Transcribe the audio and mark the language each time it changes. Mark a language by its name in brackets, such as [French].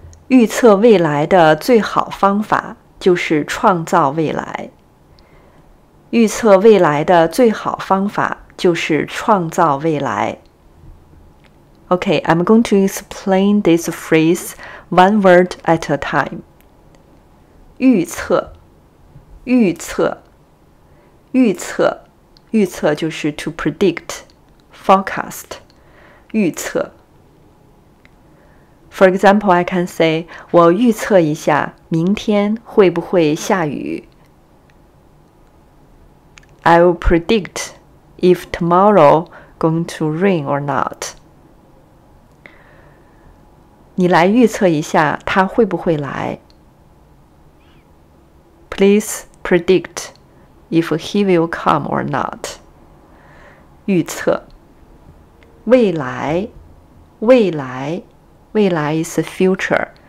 [Chinese] 预测未来的最好方法就是创造未来。预测未来的最好方法就是创造未来。 [English] Okay, I'm going to explain this phrase one word at a time. [Chinese] 预测，预测，预测，预测就是 [English] to predict, forecast, [Chinese] 预测。 [English] For example, I can say, [Chinese] 我预测一下明天会不会下雨。 [English] I will predict if tomorrow going to rain or not. [Chinese] 你来预测一下他会不会来。 [English] Please predict if he will come or not. [Chinese] 预测。未来，未来，未来 [English] is future.